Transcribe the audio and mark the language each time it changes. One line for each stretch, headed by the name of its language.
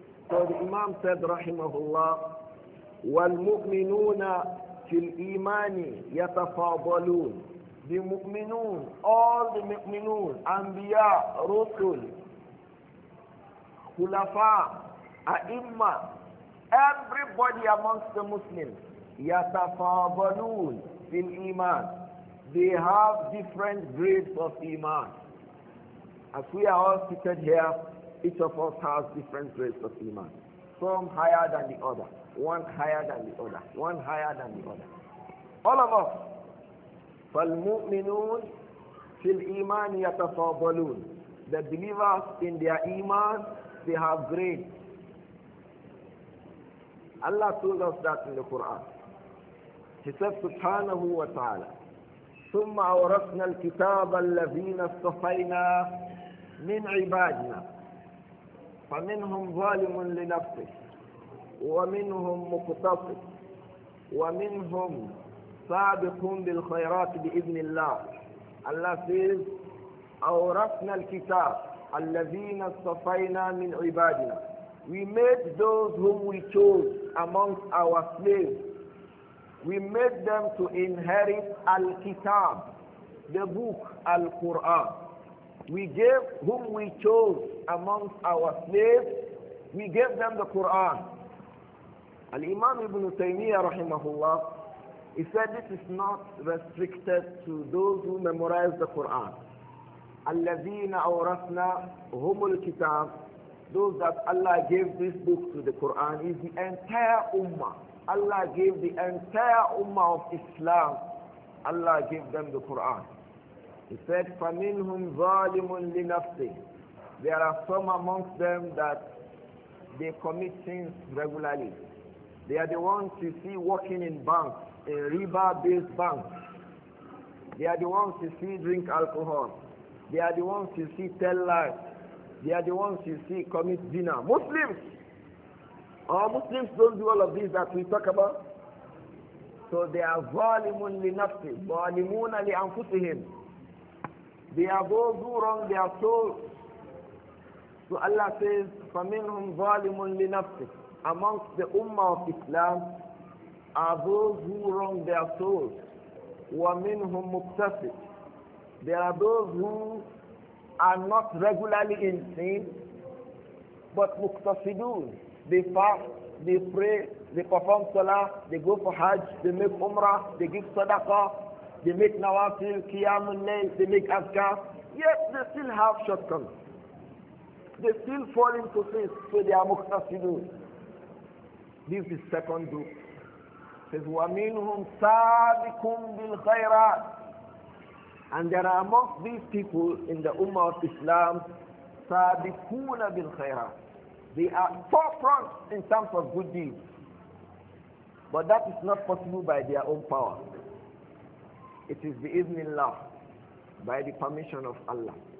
English: So the Imam said, rahimahullah,
Arabic: وَالْمُؤْمِنُونَ فِي الْإِيمَانِ يَتَفَاضَلُونَ.
English: The mu'minun, all the mu'minun, anbiya, rusul, khulafa, a'imma, everybody amongst the Muslims,
Arabic: يَتَفَاضَلُونَ فِي الْإِيمَانِ.
English: They have different grades of iman. As we are all seated here, each of us has different grades of iman. Some higher than the other. One higher than the other. One higher than the other. All of us.
Arabic: فالمؤمنون في الإيمان يتفاضلون.
English: The believers in their iman, they have grades. Allah told us that in the Quran. He said,
Arabic: سبحانه وتعالى. ثم أورثنا الكتاب الذين اصطفينا من عبادنا فمنهم ظالم لنفسه ومنهم مقتصد ومنهم سابق بالخيرات بإذن الله. الله
English: says
Arabic: أورثنا الكتاب الذين اصطفينا من عبادنا.
English: We made those whom we chose amongst our slaves. We made them to inherit al-kitab, the book, al-Quran. We gave whom we chose amongst our slaves, we gave them the Quran. Al-Imam Ibn Taymiyyah, rahimahullah, he said this is not restricted to those who memorize the Quran.
Arabic: Al-lazina awrasna humul kitab,
English: those that Allah gave this book to the Quran, is the entire ummah. Allah gave the entire ummah of Islam, Allah gave them the Quran. He said,
Arabic: فَمِنْهُمْ ظَالِمٌ لِنَفْسِهِ.
English: There are some amongst them that they commit sins regularly. They are the ones you see working in banks, a riba-based bank. They are the ones you see drink alcohol. They are the ones you see tell lies. They are the ones you see commit zina. Muslims! Our Muslims don't do all of these that we talk about. So they are
Arabic: ظَالِمٌ لِنَفْسِهِ ظَالِمُونَ لِأَنفُسِهِمْ.
English: They are those who wrong their souls. So Allah says,
Arabic: فَمِنْهُمْ ظَالِمٌ لِنَفْسِهِ.
English: Amongst the ummah of Islam are those who wrong their souls.
Arabic: وَمِنْهُمْ مُقْتَصِدٌ.
English: There are those who are not regularly in sin, but مُقْتَصِدُونَ. They fast, they pray, they perform salah, they go for hajj, they make umrah, they give sadaqah, they make nawafil, qiyamun layl, they make azkar. Yet they still have shortcomings. They still fall into sin, so they are muqtasidun. This is second group. It says,
Arabic: وَمِنْهُمْ سَابِكُمْ بِالْخَيْرَاتِ.
English: And there are amongst these people in the ummah of Islam,
Arabic: سَابِكُونَ بِالْخَيْرَاتِ.
English: They are forefront in terms of good deeds. But that is not possible by their own power. It is the iznillah, by the permission of Allah.